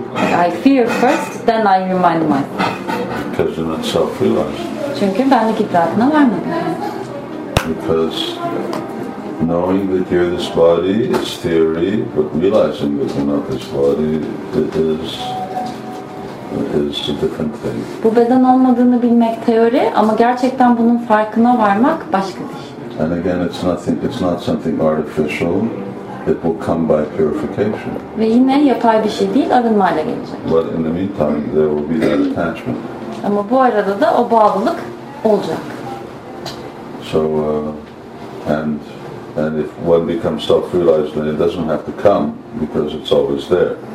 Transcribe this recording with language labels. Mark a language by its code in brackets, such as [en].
[en] Like I fear first, then I remind myself. Because you're not self-realized. [tr] Çünkü benlik idrakına varmadım. [en] Because knowing that you're this body is theory, but realizing that you're not this body, it is... is a different thing. [tr] Bu beden olmadığını bilmek teori ama gerçekten bunun farkına varmak başka bir şey. [en] And again, it's not something artificial. It will come by purification. [tr] Ve yine yapay bir şey değil, arınmayla gelecek. [en] But in the meantime, there will be that attachment. [tr] Ama bu arada da o bağlılık olacak. [en] So and if one becomes self-realized, then it doesn't have to come because it's always there.